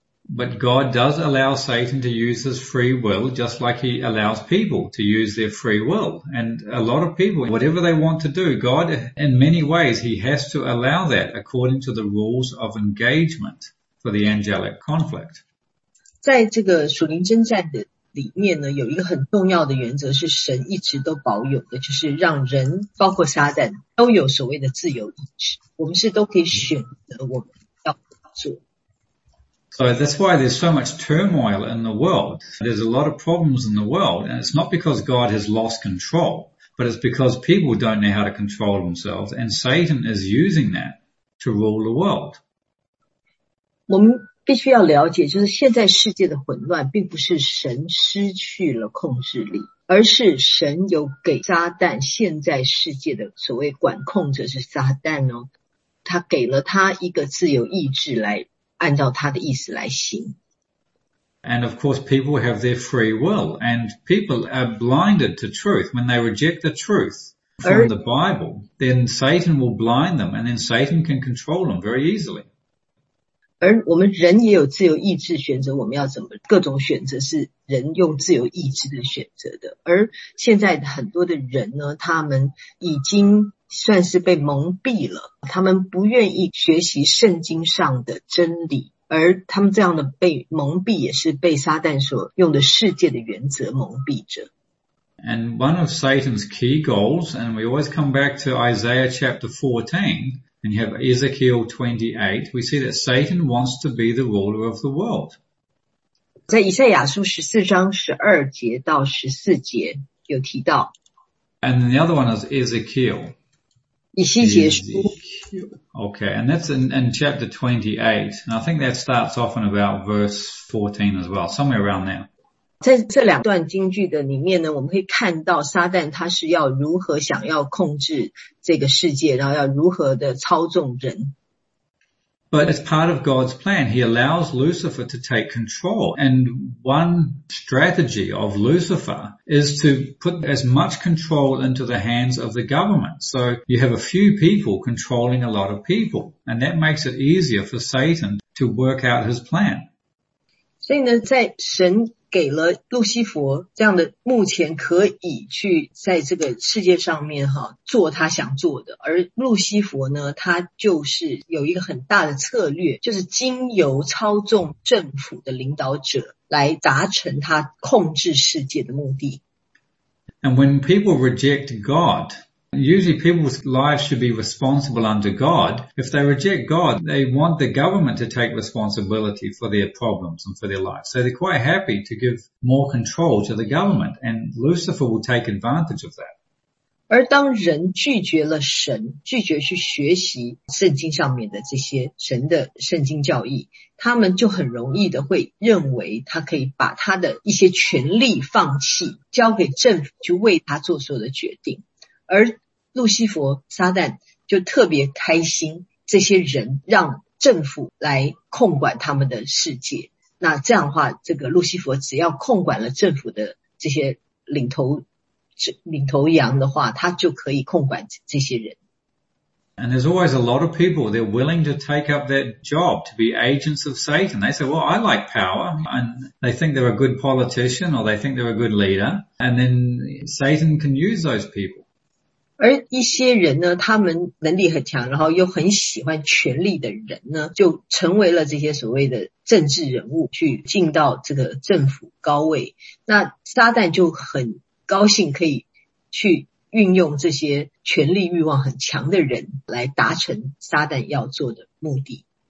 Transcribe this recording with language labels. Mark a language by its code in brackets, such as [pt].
[en] But God does allow Satan to use his free will, just like he allows people to use their free will. And a lot of people, whatever they want to do, God, in many ways, he has to allow that according to the rules of engagement for the angelic conflict. [zh] 在这个属灵征战的里面呢，有一个很重要的原则是神一直都保有的，就是让人包括撒旦都有所谓的自由意志，我们是都可以选择我们要做。 [en] So that's why there's so much turmoil in the world. There's a lot of problems in the world, and it's not because God has lost control, but it's because people don't know how to control themselves, and Satan is using that to rule the world. [zh] 我们必须要了解，就是现在世界的混乱并不是神失去了控制力，而是神有给撒旦，现在世界的所谓管控者是撒旦哦，他给了他一个自由意志来按照他的意思来行。 [en] And of course people have their free will, and people are blinded to truth. When they reject the truth from the Bible, then Satan will blind them, and then Satan can control them very easily. [zh] 而我们人也有自由意志选择我们要怎么，各种选择是人用自由意志的选择的。而现在很多的人呢，他们已经算是被蒙蔽了，他们不愿意学习圣经上的真理，而他们这样的被蒙蔽也是被撒旦所用的世界的原则蒙蔽着。 [en] And one of Satan's key goals, and we always come back to Isaiah chapter 14, and you have Ezekiel 28, we see that Satan wants to be the ruler of the world. [zh] 在以赛亚书14章12节到14节有提到。 [en] And the other one is Ezekiel. [zh] 以西结书。 [en] Okay, and that's in chapter 28, and I think that starts off in about verse 14 as well, somewhere around there. [zh] 在这两段经句的里面呢，我们可以看到撒旦他是要如何想要控制这个世界，然后要如何的操纵人。 [en] But it's part of God's plan. He allows Lucifer to take control. And one strategy of Lucifer is to put as much control into the hands of the government. So you have a few people controlling a lot of people. And that makes it easier for Satan to work out his plan. [zh] 所以呢，在神给了路西佛这样的目前可以去在这个世界上面哈做他想做的，而路西佛呢，他就是有一个很大的策略，就是经由操纵政府的领导者来达成他控制世界的目的。 [en] And when people reject God, usually people's lives should be responsible under God. If they reject God, they want the government to take responsibility for their problems and for their lives. So they're quite happy to give more control to the government, and Lucifer will take advantage of that. [zh] 而当人拒绝了神，拒绝去学习圣经上面的这些神的圣经教义，他们就很容易的会认为他可以把他的一些权力放弃，交给政府去为他做所有的决定。而路西佛撒旦就特别开心这些人让政府来控管他们的世界，那这样的话这个路西佛只要控管了政府的这些领头羊的话，他就可以控管这些人。 [en] And there's always a lot of people, they're willing to take up that job to be agents of Satan. They say, well, I like power, and they think they're a good politician, or they think they're a good leader, and then Satan can use those people. [zh] 而一些人呢，他们能力很强，然后又很喜欢权力的人呢，就成为了这些所谓的政治人物，去进到这个政府高位。那撒旦就很高兴可以去运用这些权力欲望很强的人来达成撒旦要做的目的。